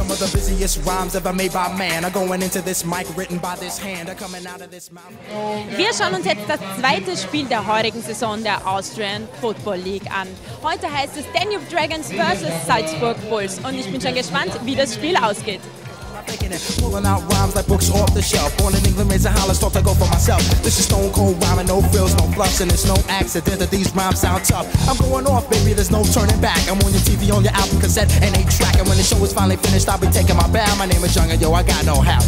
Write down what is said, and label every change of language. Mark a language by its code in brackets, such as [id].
[en] craziest rhymes ever made by man. I'm going into this mic written by this hand. I'm coming out of this mouth. [de] Wir schauen uns jetzt das zweite Spiel der heutigen Saison der Austrian Football League an. Heute heißt es Danube Dragons vs. Salzburg Bulls. Und ich bin schon gespannt, wie das Spiel ausgeht. [en] Pulling out rhymes like books off the shelf. Born in England, raised in Holland, start to go for myself. This is stone cold rhyming, no frills, no fluffs, and it's no accident that these rhymes sound tough. I'm going off, baby, there's no turning back. I'm on your TV, on your album, cassette, and 8-track. And when the show is finally finished, I'll be taking my bow. My name is Jung, and yo, I got no how.